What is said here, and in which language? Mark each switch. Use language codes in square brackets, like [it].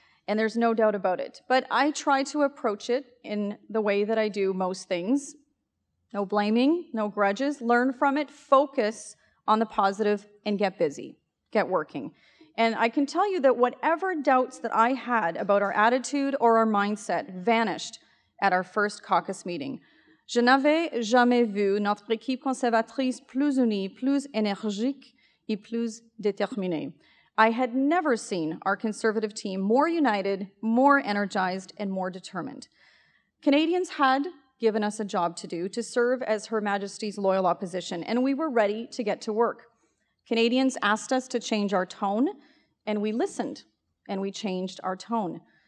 [en] And there's no doubt about it. But I try to approach it in the way that I do most things. No blaming, no grudges. Learn from it, focus on the positive, and get busy, get working. And I can tell you that whatever doubts that I had about our attitude or our mindset vanished at our first caucus meeting. [fr] Je n'avais jamais vu notre équipe conservatrice plus unie, plus énergique et plus déterminée. [en] I had never seen our conservative team more united, more energized, and more determined. Canadians had given us a job to do, to serve as Her Majesty's loyal opposition, and we were ready to get to work. Canadians asked us to change our tone, and we listened, and we changed our tone.